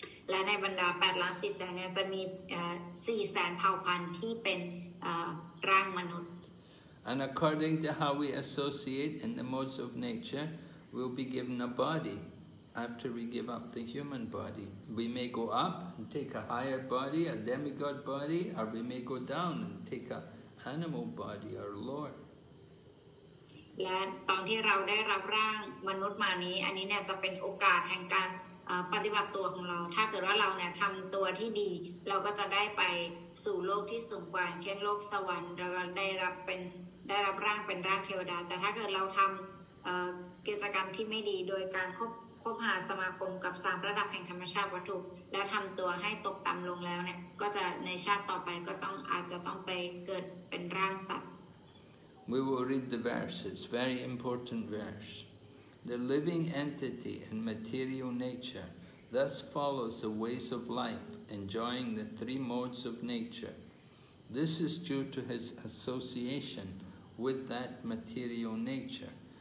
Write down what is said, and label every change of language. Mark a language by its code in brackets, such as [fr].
[th] และในบรรดา8,400,000เนี่ยจะมี400,000เผ่าพันธุ์ที่เป็นร่างมนุษย์ [en] And according to how we associate in the modes of nature we'll be given a bodyAfter we give up the human body, we may go up and take a higher body, a demigod body, or we may go down and take an animal body or lower. And [th] ตอนที่เราได้รับร่างมนุษย์มานี้อันนี้เนี่ยจะเป็นโอกาสแห่งการปฏิบัติตัวของเราถ้าเกิดว่าเราเนี่ยทำตัวที่ดีเราก็จะได้ไปสู่โลกที่สูงกว่าเช่นโลกสวรรค์เราได้รับร่างเป็นร่างเทวดาแต่ถ้าเกิดเราทำกิจกรรมที่ไม่ดีโดยการคบหาสมาคมกับ3ระดับแห่งธรรมชาติวัตถุแล้วทำตัวให้ตกต่ำลงแล้วเนี่ยก็จะในชาติต่อไปก็ต้องอาจจะต้องไปเกิดเป็นร่างสัตว์ [en] We will read the verses, very important verse. The living entity and material nature thus follows the ways of life, enjoying the three modes of nature. This is due to his association with that material nature.